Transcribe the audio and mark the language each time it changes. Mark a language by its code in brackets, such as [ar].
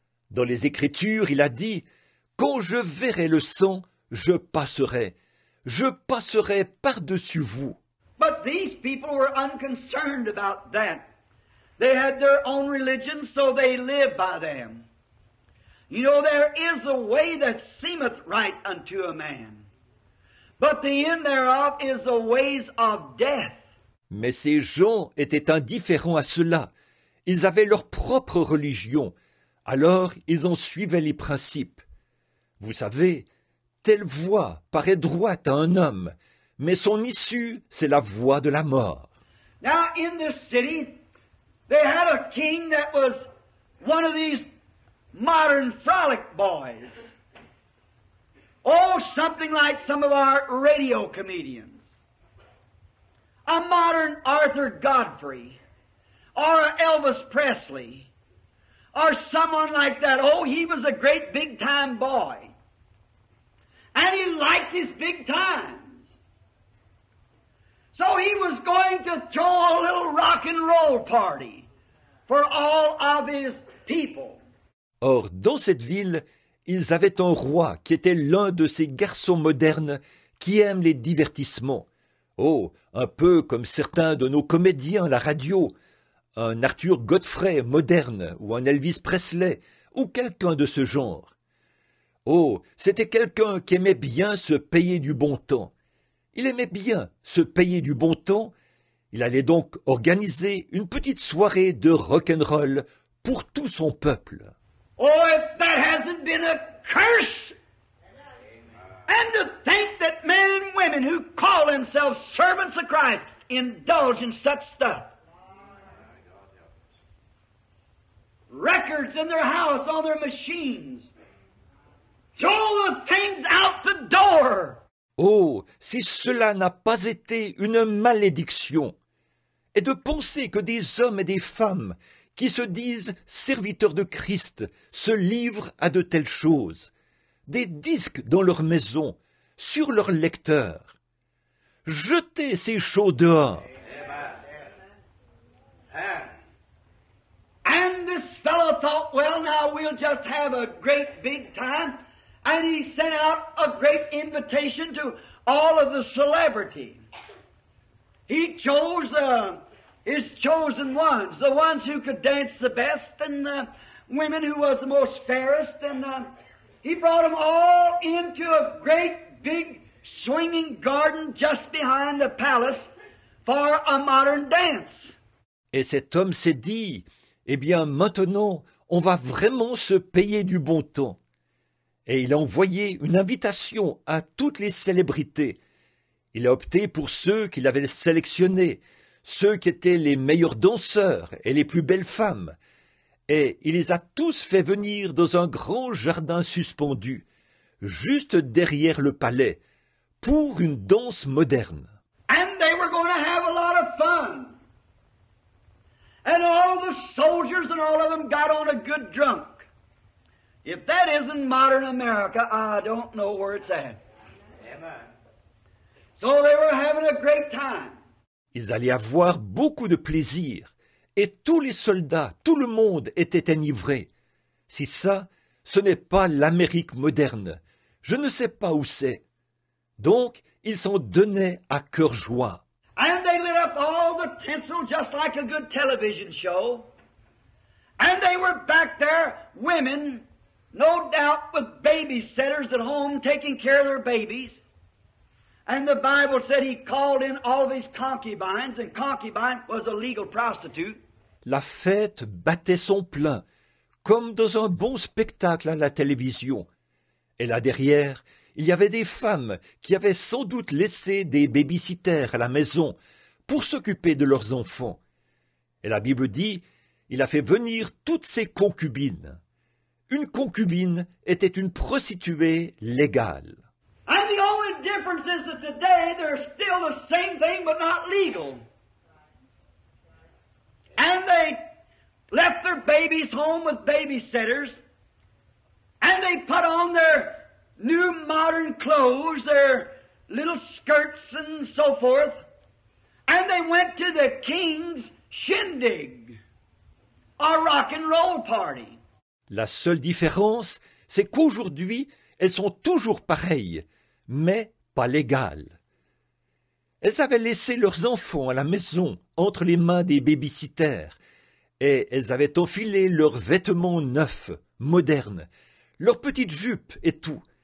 [fr] Dans les Écritures, il a dit, « Quand je verrai le sang, je passerai. Je passerai par-dessus vous. » [en] But these people were unconcerned about that. They had their own religion, so they live by them. You know, there is a way that seemeth right unto a man. But the end thereof is the ways of death. [fr] Mais ces gens étaient indifférents à cela. Ils avaient leur propre religion. Alors, ils en suivaient les principes. Vous savez, telle voie paraît droite à un homme, mais son issue, c'est la voie de la mort. [en] Now, in this city, they had a king that was one of these modern frolic boys. Oh, something like some of our radio comedians. A modern Arthur Godfrey, or Elvis Presley, or someone like that. Oh, he was a great big-time boy. And he liked his big times. So he was going to throw a little rock and roll party for all of his people. [fr] Or, dans cette ville, ils avaient un roi qui était l'un de ces garçons modernes qui aiment les divertissements. Oh, un peu comme certains de nos comédiens à la radio, un Arthur Godfrey moderne ou un Elvis Presley ou quelqu'un de ce genre. Oh, c'était quelqu'un qui aimait bien se payer du bon temps. Il aimait bien se payer du bon temps. Il allait donc organiser une petite soirée de rock'n'roll pour tout son peuple. [en] Oh, if that hasn't been a curse! And to think that men and women who call themselves servants of Christ indulge in such stuff. Records in their house, on their machines. Throw the things out the door. [fr] Oh, si cela n'a pas été une malédiction. Et de penser que des hommes et des femmes qui se disent serviteurs de Christ se livrent à de telles choses. Des disques dans leur maison, sur leur lecteur. Jetez ces choses dehors. [en] And this fellow thought, well, now we'll just have a great big time. And he sent out a great invitation to all of the celebrities. He chose his chosen ones, the ones who could dance the best, and the women who was the most fairest, and he brought them all into a great big swinging garden just behind the palace for a modern dance. [fr] Et cet homme s'est dit, eh bien maintenant, on va vraiment se payer du bon temps. Et il a envoyé une invitation à toutes les célébrités. Il a opté pour ceux qu'il avait sélectionnés, ceux qui étaient les meilleurs danseurs et les plus belles femmes. Et il les a tous fait venir dans un grand jardin suspendu, juste derrière le palais, pour une danse moderne. [en] And they were going to have a lot of fun. And all the soldiers and all of them got on a good drunk. If that isn't modern America, I don't know where it's at. Amen. So they were having a great time. [fr] Ils allaient avoir beaucoup de plaisir. Et tous les soldats, tout le monde était enivré. Si ça, ce n'est pas l'Amérique moderne. Je ne sais pas où c'est. Donc, ils s'en donnaient à cœur joie. [en] And they lit up all the tinsel just like a good television show. And they were back there, women, no doubt with babysitters at home taking care of their babies. And the Bible said he called in all of his concubines, and concubine was a legal prostitute. [fr] La fête battait son plein, comme dans un bon spectacle à la télévision. Et là derrière, il y avait des femmes qui avaient sans doute laissé des babysitters à la maison pour s'occuper de leurs enfants. Et la Bible dit, il a fait venir toutes ses concubines. Une concubine était une prostituée légale. [en] I is that today they're still the same thing, but not legal. And they left their babies home with babysitters, and they put on their new modern clothes, their little skirts and so forth, and they went to the king's shindig, a rock and roll party. [fr] La seule différence, c'est qu'aujourd'hui, elles sont toujours pareilles, mais pas légales. Elles avaient laissé leurs enfants à la maison, entre les mains des babysitters, et elles avaient enfilé leurs vêtements neufs, modernes, leurs petites jupes et tout.